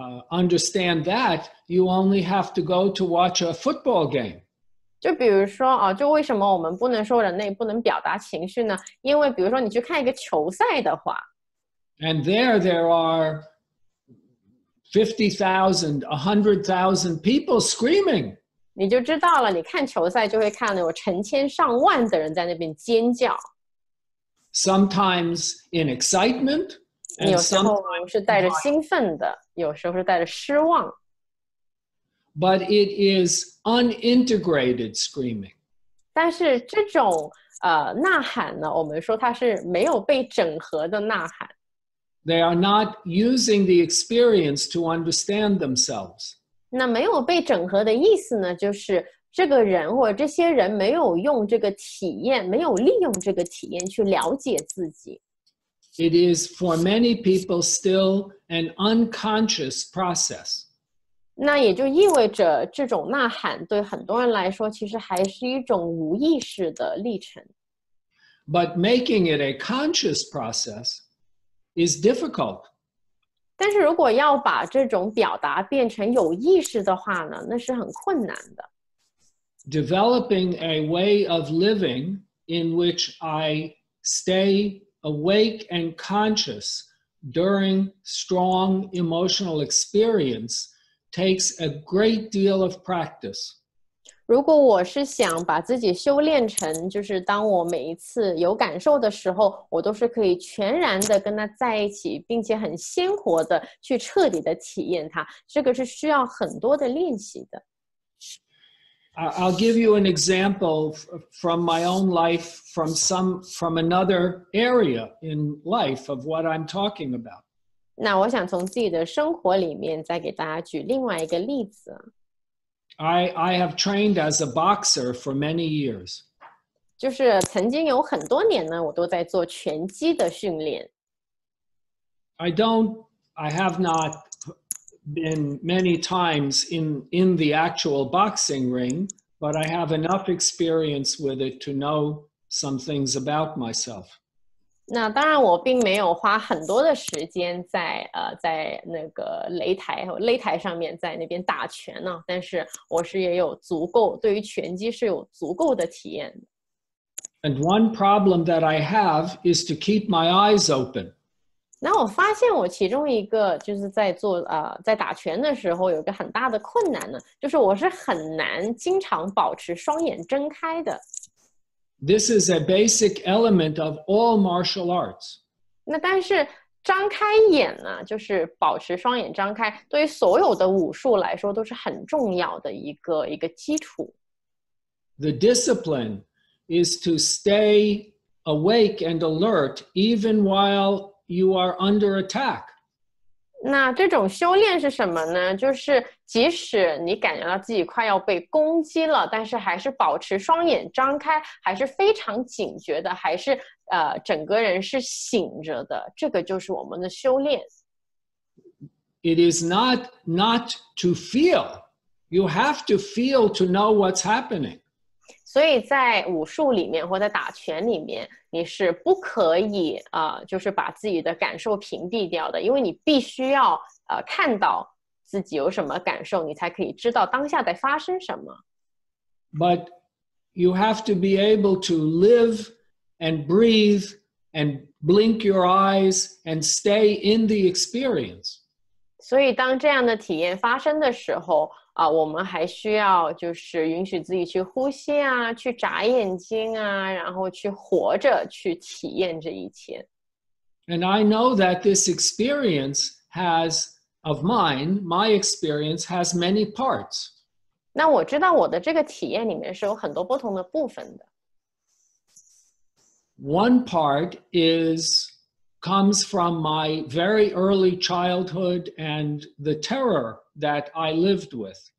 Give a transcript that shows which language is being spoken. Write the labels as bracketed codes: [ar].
[en] Understand that you only have to go to watch a football game. [zh] 就比如说啊，就为什么我们不能说人类不能表达情绪呢？因为比如说你去看一个球赛的话 [en] ，and there are 50,000, 100,000 people screaming. [zh] 你就知道了，你看球赛就会看到有成千上万的人在那边尖叫。 [en] Sometimes in excitement, and sometimes [zh] 是带着兴奋的。有时候是带着失望。 [en] But it is unintegrated screaming. [zh] 但是这种呐喊呢，我们说它是没有被整合的呐喊。 [en] They are not using the experience to understand themselves. [zh] 那没有被整合的意思呢，就是这个人或者这些人没有用这个体验，没有利用这个体验去了解自己。 [en] It is for many people still an unconscious process. [zh] 那也就意味着这种呐喊对很多人来说其实还是一种无意识的历程。 [en] But making it a conscious process is difficult. [zh] 但是如果要把这种表达变成有意识的话呢，那是很困难的。 [en] Developing a way of living in which I stay awake and conscious during strong emotional experience takes a great deal of practice. [zh] 如果我是想把自己修炼成，就是当我每一次有感受的时候，我都是可以全然的跟他在一起，并且很鲜活的去彻底的体验它，这个是需要很多的练习的。 [en] I'll give you an example from my own life, from another area in life of what I'm talking about. [zh] 那我想从自己的生活里面再给大家举另外一个例子。 [en] I have trained as a boxer for many years. [zh] 就是曾经有很多年呢，我都在做拳击的训练。 [en] I have not been many times in the actual boxing ring, but I have enough experience with it to know some things about myself. [zh] 那当然我并没有花很多的时间在那个擂台上面在那边打拳呢，但是我是也有足够，对于拳击是有足够的体验。 [en] And one problem that I have is to keep my eyes open. [zh] 那我发现我其中一个就是在做在打拳的时候有一个很大的困难呢，就是我是很难经常保持双眼睁开的。 [en] This is a basic element of all martial arts. [zh] 那但是张开眼呢，就是保持双眼张开，对于所有的武术来说都是很重要的一个基础。 [en] The discipline is to stay awake and alert even while you are under attack. [zh] 那这种修炼是什么呢？就是即使你感觉到自己快要被攻击了，但是还是保持双眼张开，还是非常警觉的，还是整个人是醒着的，这个就是我们的修炼。 [en] It is not to feel. You have to feel to know what's happening. [zh] 所以在武术里面或在打拳里面你是不可以就是把自己的感受屏蔽掉的，因为你必须要看到自己有什么感受，你才可以知道当下在发生什么。 [en] But you have to be able to live and breathe and blink your eyes and stay in the experience. [zh] 所以当这样的体验发生的时候我们还需要就是允许自己去呼吸啊，去眨眼睛啊，然后去活着，去体验这一切。 [en] And I know that this experience has of mine, my experience has many parts. [zh] 那我知道我的这个体验里面是有很多不同的部分的。 [en] One part comes from my very early childhood and the terror that I lived with.